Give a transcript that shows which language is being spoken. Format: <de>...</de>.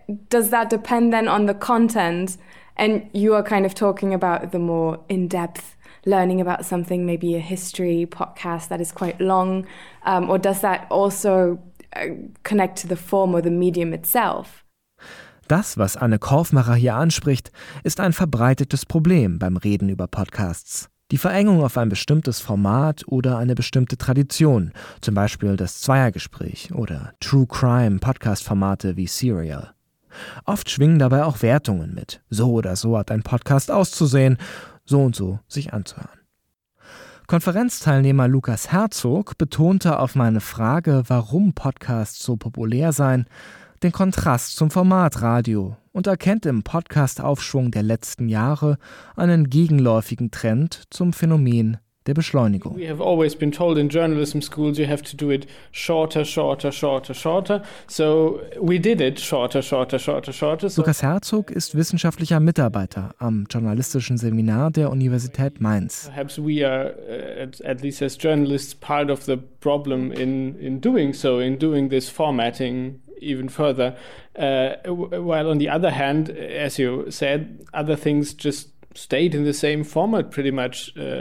<en>Does that depend then on the content? And you are kind of talking about the more in-depth learning about something, maybe a history podcast that is quite long. Or does that also connect to the form or the medium itself?</en> <de>Das, was Anne Korfmacher hier anspricht, ist ein verbreitetes Problem beim Reden über Podcasts. Die Verengung auf ein bestimmtes Format oder eine bestimmte Tradition, zum Beispiel das Zweiergespräch oder True Crime Podcast-Formate wie Serial. Oft schwingen dabei auch Wertungen mit. So oder so hat ein Podcast auszusehen, so und so sich anzuhören. Konferenzteilnehmer Lukas Herzog betonte auf meine Frage, warum Podcasts so populär seien, den Kontrast zum Formatradio und erkennt im Podcast-Aufschwung der letzten Jahre einen gegenläufigen Trend zum Phänomen der Beschleunigung.</de> <en>We have always been told in journalism schools you have to do it shorter, shorter, shorter, shorter. So we did it shorter, shorter, shorter, shorter. So</en> <de>Lukas Herzog ist wissenschaftlicher Mitarbeiter am journalistischen Seminar der Universität Mainz.</de> <en>Perhaps we are at least as journalists part of the problem in doing so, in doing this formatting even further. While on the other hand, as you said, other things just stayed in the same format pretty much.</en>